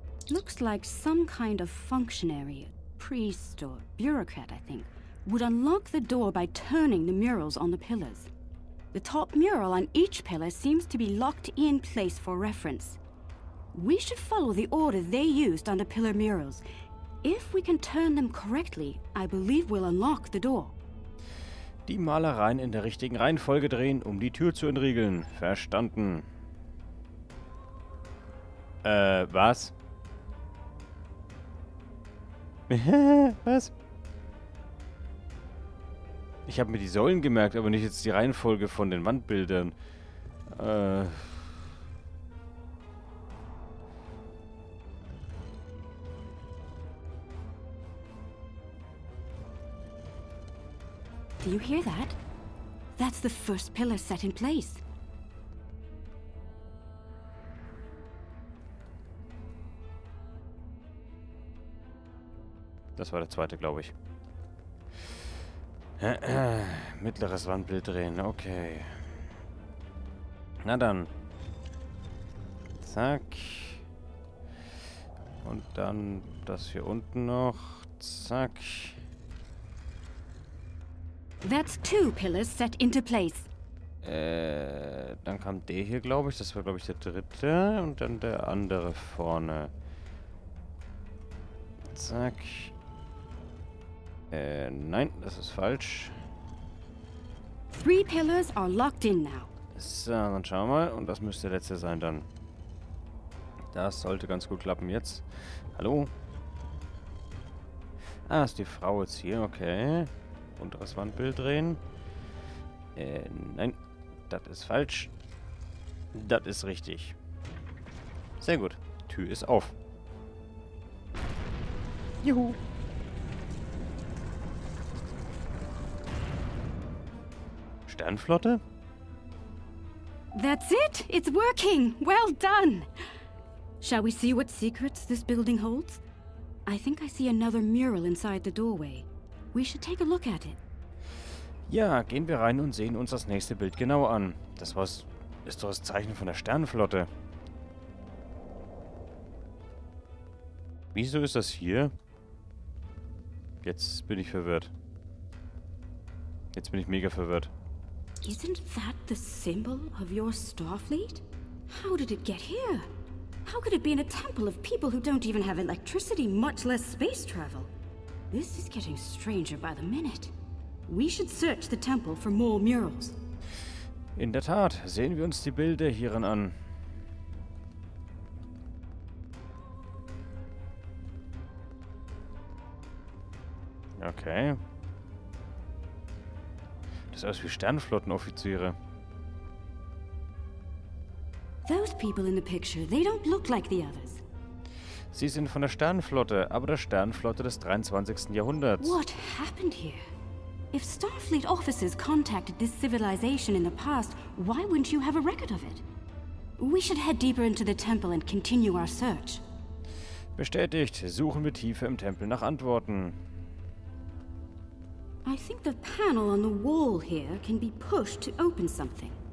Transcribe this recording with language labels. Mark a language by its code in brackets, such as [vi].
[en] Looks like some kind of functionary, priest or bureaucrat, I think, would unlock the door by turning the murals on the pillars. The top mural on each pillar seems to be locked in place for reference. We should follow the order they used on the pillar murals. If we can turn them correctly, I believe we'll unlock the door. [de] Die Malereien in der richtigen Reihenfolge drehen, um die Tür zu entriegeln. Verstanden. Was? Was? Ich habe mir die Säulen gemerkt, aber nicht jetzt die Reihenfolge von den Wandbildern. [en] Do you hear that? That's the first pillar set in place. [de] Das war der zweite, glaube ich. Mittleres Wandbild drehen, okay. Na dann. Zack. Und dann das hier unten noch. Zack. [en] That's two pillars set into place. [de] Dann kam der hier, glaube ich. Das war, glaube ich, der dritte. Und dann der andere vorne. Zack. Nein, das ist falsch. [en] Three pillars are locked in now. [de] So, dann schauen wir mal. Und das müsste der letzte sein dann. Das sollte ganz gut klappen jetzt. Hallo? Ah, ist die Frau jetzt hier? Okay. Unteres Wandbild drehen. Nein. Das ist falsch. Das ist richtig. Sehr gut. Tür ist auf. Juhu. Sternflotte? [en] That's it. It's working. Well done. Shall we see what secrets this building holds? I think I see another mural inside the doorway. We should take a look at it. [de] Ja, gehen wir rein und sehen uns das nächste Bild genau an. Das war's. Ist doch das Zeichen von der Sternenflotte. Wieso ist das hier? Jetzt bin ich verwirrt. Jetzt bin ich mega verwirrt. [en] Isn't that the symbol of your Starfleet? How did it get here? How could it be in a temple of people who don't even have electricity, much less space travel? This is getting stranger by the minute. We should search the temple for more murals. [de] In der Tat, sehen wir uns die Bilder hierin an. Okay. Das ist alles wie Sternflottenoffiziere. [en] Those people in the picture, they don't look like the others. [de] Sie sind von der Sternflotte, aber der Sternflotte des 23. Jahrhunderts. [en] What happened here? If Starfleet officers contacted this civilization in the past, why wouldn't you have a record of it? We should head deeper into the temple and continue our search. [de] Bestätigt, suchen wir tiefer im Tempel nach Antworten. [en] I think the panel on the wall here can be pushed to open something.